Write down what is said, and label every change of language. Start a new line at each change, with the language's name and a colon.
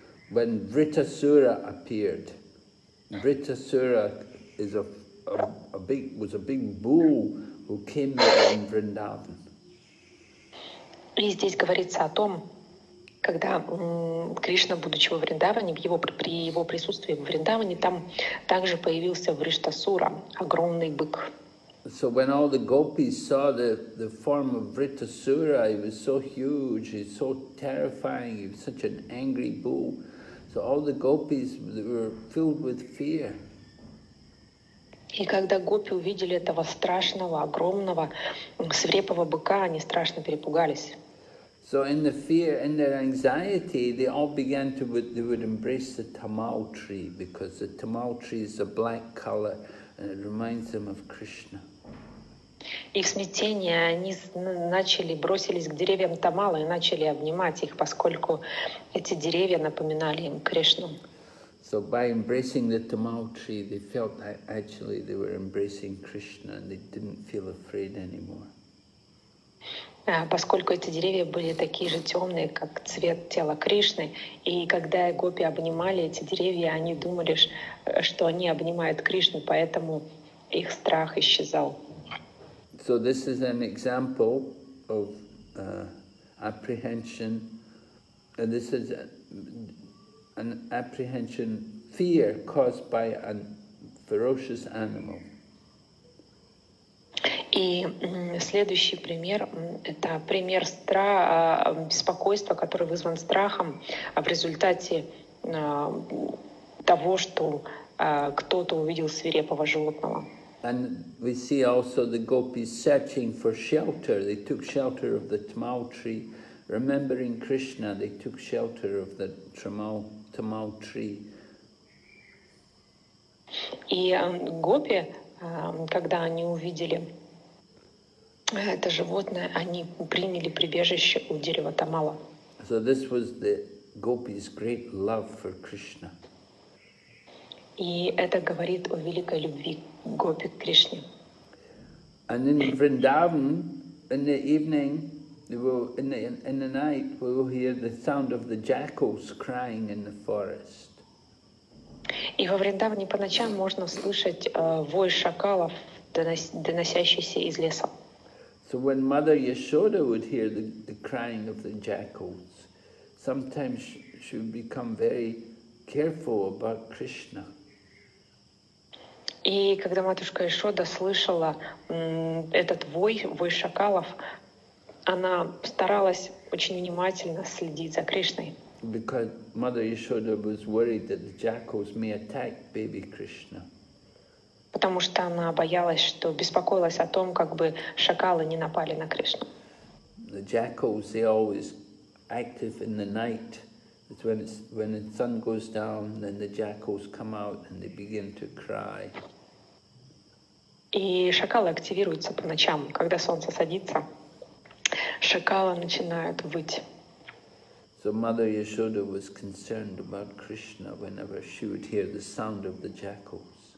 English: When Vritasura appeared, Vritasura is a big bull who came there in Vrindavan.
Russian: И здесь говорится о том, когда Кришна, будучи во Вриндаване, при его присутствии в Вриндаване, там также появился Вриштасура, огромный бык.
English: So when all the gopis saw the form of Vritasura, he was so huge, he was so terrifying, he was such an angry bull. So all the gopis were filled with fear.
Russian: И когда гопи увидели этого страшного, огромного, свирепого быка, они страшно перепугались.
English: So in the fear, in their anxiety, they all began to, they would embrace the tamal tree, because the tamal tree is a black color and it reminds them of Krishna.
Russian: И в смятении они бросились к деревьям тамала и начали обнимать их, поскольку эти деревья напоминали им Кришну.
English: So by embracing the tamal tree, they felt that actually they were embracing Krishna and they didn't feel afraid anymore.
Russian: Поскольку эти деревья были такие же темные, как цвет тела Кришны, и когда гопи обнимали эти деревья, они думали, что они обнимают Кришну, поэтому их страх исчезал.
English: So this is an example of apprehension, and this is an apprehension fear caused by a ferocious animal.
Russian: И следующий пример – это пример беспокойства, который вызван страхом в результате того, что кто-то увидел свирепого животного.
English: And we see also the gopis searching for shelter. They took shelter of the tamal tree. Remembering Krishna, they took shelter of the tamal tree.
Russian: И гопи, когда они увидели это животное, они приняли прибежище у дерева Тамала.
English: So this was the gopis' great love for Krishna.
Russian: И это говорит о великой любви гопи к Кришне.
English: And in Vrindavan, in the evening, in the night, we will hear the sound of the jackals crying in the forest.
Russian: И во Вриндаване по ночам можно слышать вой шакалов, доносящийся из леса.
English: So when Mother Yashoda would hear the crying of the jackals, sometimes she would become very careful about Krishna.
Russian: И когда матушка Яшода слышала этот вой шакалов, она старалась очень внимательно следить за Кришной.
English: Because Mother Yashoda was worried that the jackals may attack baby Krishna.
Russian: Потому что она боялась, что беспокоилась о том, как бы шакалы не напали на Кришну.
English: The jackals, they always active in the night. It's when it's, when the sun goes down, then the jackals come out and they begin to cry.
Russian: И шакалы активируются по ночам, когда солнце садится. Шакалы начинают выть.
English: So Mother Yashoda was concerned about Krishna whenever she would hear the sound of the jackals.